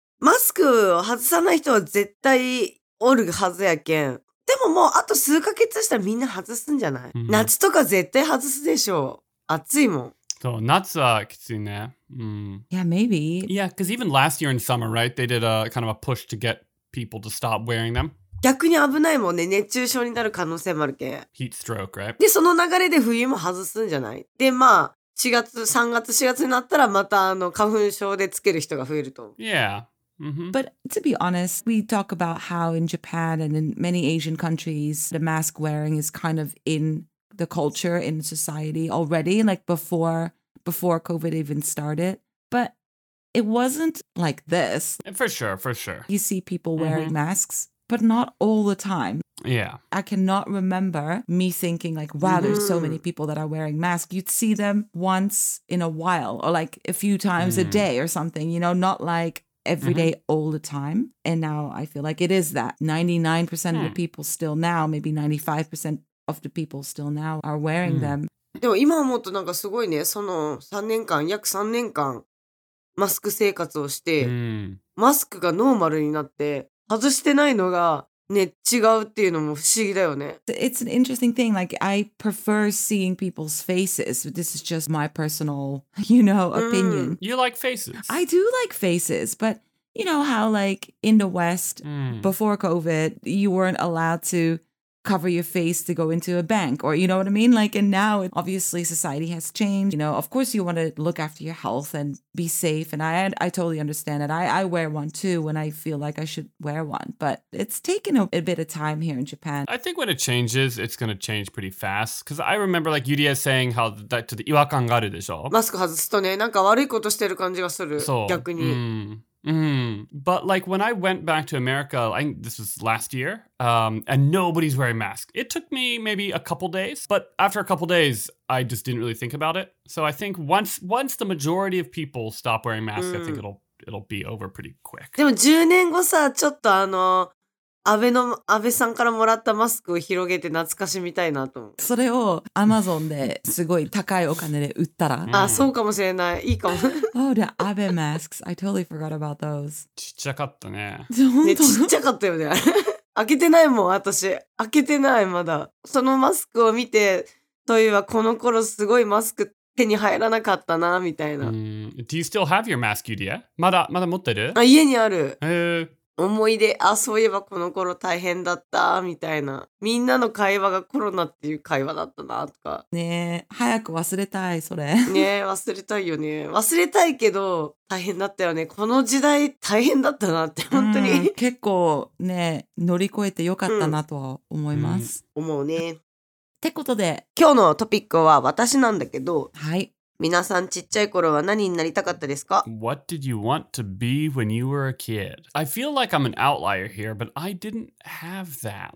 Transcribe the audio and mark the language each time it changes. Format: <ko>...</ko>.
<ja>マスクを外さない人は絶対おるはずやけん。でももうあと数ヶ月したらみんな外すんじゃない、夏とか絶対外すでしょ。暑いもん。そう、夏はきついね。</ja> <en>Yeah, maybe. Yeah, because even last year in summer, right, they did a kind of a push to get people to stop wearing them.</en> <ja>逆に危ないもんね。熱中症になる可能性もあるけん。</ja> <en>Heat stroke, right?</en> <ja>で、その流れで冬も外すんじゃない？で、まあ、4月、3月、4月になったらまた花粉症でつける人が増えると思う。</ja> <en>Yeah.、Mm-hmm. But to be honest, we talk about how in Japan and in many Asian countries, the mask wearing is kind of in the culture, in society already, like before COVID even started. But... It wasn't like this. For sure, for sure. You see people wearing、mm-hmm. masks, but not all the time. Yeah. I cannot remember me thinking like, wow,、mm-hmm. there's so many people that are wearing masks. You'd see them once in a while or like a few times、mm-hmm. a day or something, you know, not like every、mm-hmm. day all the time. And now I feel like it is that. 99%、mm-hmm. of the people still now, maybe 95% of the people still now are wearing、mm-hmm. them.</en> <ja>でも今思うとなんかすごいね。その3年間、約3年間。マスク生活をして、うん、マスクがノーマルになって外してないのがね違うっていうのも不思議だよね。</ja> <en>It's an interesting thing. Like I prefer seeing people's faces. This is just my personal, you know, opinion.、うん、you like faces. I do like faces, but you know how like in the West、</en> <ja>うん、</ja> <en>before COVID, you weren't allowed to cover your face to go into a bank, or you know what I mean? Like, and now obviously society has changed. You know, of course you want to look after your health and be safe. And I totally understand that. I wear one too when I feel like I should wear one, but it's taken a bit of time here in Japan. I think when it changes, it's going to change pretty fast. Because I remember like Yuria saying how that to the</en> <ja>違和感があるでしょ? マスク外すとね、なんか悪いことしてる感じがする。そう。逆に。</ja> <en>Mm. Mm. But like when I went back to America, I think this was last year, and nobody's wearing masks. It took me maybe a couple days, but after a couple days, I just didn't really think about it. So I think once the majority of people stop wearing masks,、mm. I think it'll be over pretty quick.</en> <ja>でも10年後さ、ちょっと安倍さんからもらったマスクを広げて懐かしみたいなと思う。それをアマゾンですごい高いお金で売ったら。あ、そうかもしれない。いいかも。</ja> <en>Oh, the Abe masks. I totally forgot about those.</en> <ja>ちっちゃかったね。本当ね、ちっちゃかったよね。開けてないもん、私。開けてない、まだ。そのマスクを見て、といえばこの頃すごいマスク手に入らなかったな、みたいな。</ja> <en>Do you still have your mask, Yudia?</en> <ja>まだ持ってる？あ、家にある。思い出、あ、そういえばこの頃大変だったみたいな。みんなの会話がコロナっていう会話だったなとか。ねえ、早く忘れたい、それ。ねえ、忘れたいよね。忘れたいけど、大変だったよね。この時代大変だったなって、本当に。うん、結構ね、乗り越えてよかったなとは思います。うん、思うね。ってことで、今日のトピックは私なんだけど。はい。皆さんちっちゃい頃は何になりたかったですか?</ja> <en>What did you want to be when you were a kid? I feel like I'm an outlier here, but I didn't have that.</en>